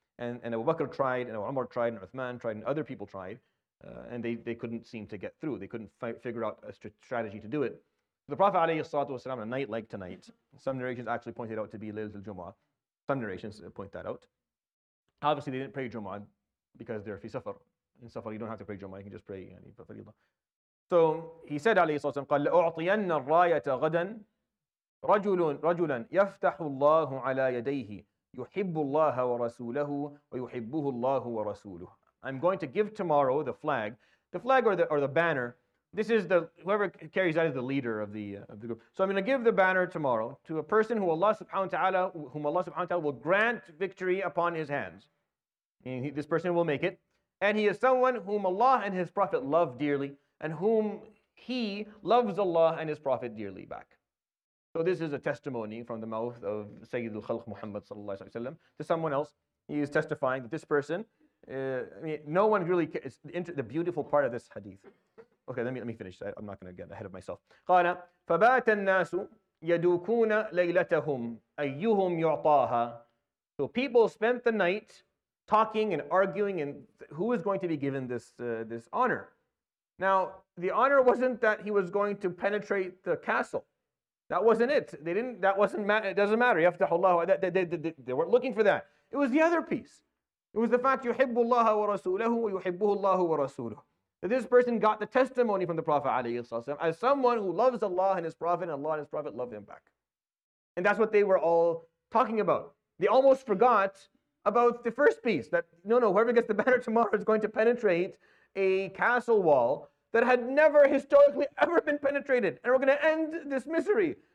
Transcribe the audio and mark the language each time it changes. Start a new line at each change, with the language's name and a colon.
English: And Abu Bakr tried, and Umar tried, and Uthman tried, and other people tried, and they couldn't seem to get through. They couldn't figure out a strategy to do it. The Prophet ﷺ, a night like tonight, some narrations actually pointed out to be Laylatul Jumu'ah. Some narrations point that out. Obviously, they didn't pray Jumu'ah because they're fi safar. In safar, you don't have to pray Jumu'ah, you can just pray. So he said,
Arabic: ﷺ, قَالَ لَأُعْطِيَنَّ الرَّايَةَ غَدًا رَجُلًا يَفْتَحُ اللَّهُ عَلَى يَدَيْهِ يُحِبُّ اللَّهَ وَرَسُولَهُ وَيُحِبُّهُ اللَّهُ وَرَسُولُهُ.
English: I'm going to give tomorrow the flag or the banner. This is whoever carries that is the leader of the group. So I'm going to give the banner tomorrow to a person whom Allah subhanahu wa ta'ala will grant victory upon his hands. And this person will make it. And he is someone whom Allah and his Prophet love dearly, and whom he loves Allah and his Prophet dearly back. So this is a testimony from the mouth of Sayyidul Khalq Muhammad sallallahu alayhi wa sallam to someone else. He is testifying that this person, no one really cares. The beautiful part of this hadith. Okay, let me finish. I'm not going to get ahead of myself.
Arabic: قَالَ فَبَاتَ النَّاسُ يَدُوكُونَ لَيْلَتَهُمْ أَيُّهُمْ يُعْطَاهَا.
English: So people spent the night talking and arguing, and who is going to be given this honor? Now, the honor wasn't that he was going to penetrate the castle. That wasn't it. It doesn't matter.
Arabic: يَفْتَحُ اللَّهُ
English: they weren't looking for that. It was the other piece. It was the fact
Arabic: يُحِبُّ اللَّهَ وَرَسُولَهُ وَيُحِبُّهُ اللَّهُ وَرَسُولُهُ.
English: This person got the testimony from the Prophet ﷺ as someone who loves Allah and his Prophet, and Allah and his Prophet love him back. And that's what they were all talking about. They almost forgot about the first beast, that no, whoever gets the banner tomorrow is going to penetrate a castle wall that had never historically ever been penetrated, and we're going to end this misery.